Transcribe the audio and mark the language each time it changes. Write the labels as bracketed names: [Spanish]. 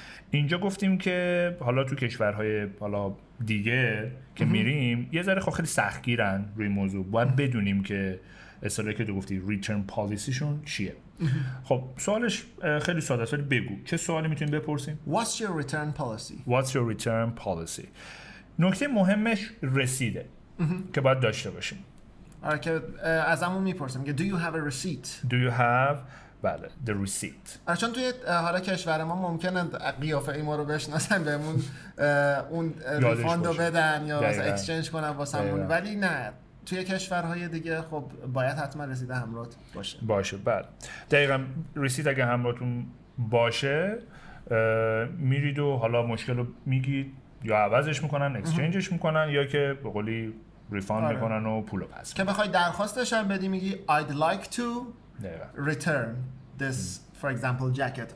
[Persian] اینجا گفتیم که حالا تو کشورهای حالا دیگه که میریم یه ذره خب خیلی سختگیرن روی موضوع، باید بدونیم که اصطلاحی که تو گفتی ریترن پالیسی شون چیه. خب سوالش خیلی ساده است، بگو چه سوالی میتونیم بپرسیم. [English] What's your return policy؟ What's your return policy؟ [Persian] نکته مهمش رسیده که باید داشته باشیم. آره که از همون میپرسیم که [English] Do you have a receipt؟ Do you have [Persian] بله [English] the receipt. [Persian] آره چون توی حالا کشور ما ممکنه قیافه ای ما رو بشناسن، بهمون اون ریفاند رو بدن یا اکسچنج کنن واسمون، ولی نه توی کشورهای دیگه خب باید حتما رسید همراهت باشه. بله دقیقا، رسید اگه همراهتون باشه میرید و حالا مشکل رو میگید، یا عوضش میکنن، اکسچنجش میکنن، یا که به قولی ریفاند آره. میکنن و پولو پس میکنن. که بخوای درخواستش هم بدی میگی [English] I'd like to return this for example jacket.